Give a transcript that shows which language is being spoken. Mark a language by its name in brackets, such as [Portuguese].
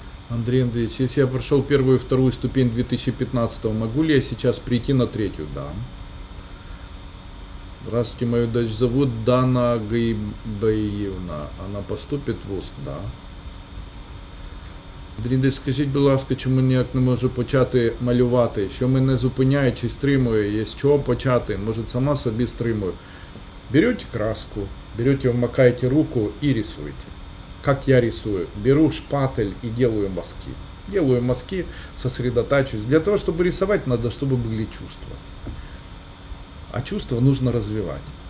[Russian] Андрей Андреевич, если я прошел первую и вторую ступень 2015-го, могу ли я сейчас прийти на третью? Да. Здравствуйте, мою дочь зовут Дана Гайбаевна. Она поступит в ВУЗ, да. [Ukrainian] Дринде, скажіть, будь ласка, чому ніяк не можу почати малювати? Що мене зупиняє чи стримує? Є з чого почати? Може, сама собі стримую? Берете краску, берете, вмикаєте руку і рисуєте. [Russian] как я рисую. Беру шпатель и делаю мазки. Делаю мазки, сосредотачиваюсь. Для того, чтобы рисовать, надо, чтобы были чувства. А чувства нужно развивать.